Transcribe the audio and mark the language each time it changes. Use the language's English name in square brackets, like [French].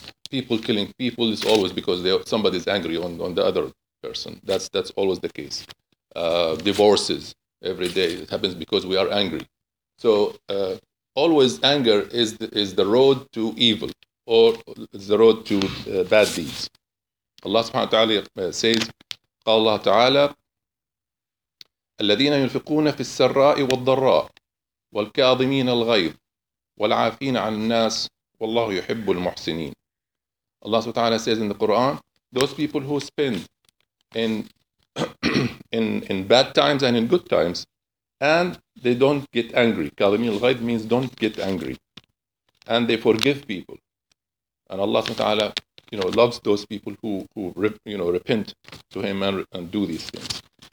[English] People killing people is always because somebody's angry on the other person. That's always the case. Divorces every day, it happens because we are angry. So always anger is the road to evil or the road to bad deeds. Allah subhanahu wa ta'ala says, [Arabic] قال الله تعالى الذين ينفقون في السراء والضراء والكاظمين الغيظ والعافين عن الناس والله يحب المحسنين. [English] Allah subhanahu wa ta'ala says in the Quran, those people who spend in bad times and in good times, and they don't get angry. Kalimil ghayb means don't get angry. And they forgive people. And Allah subhanahu wa ta'ala, loves those people who repent to him and do these things.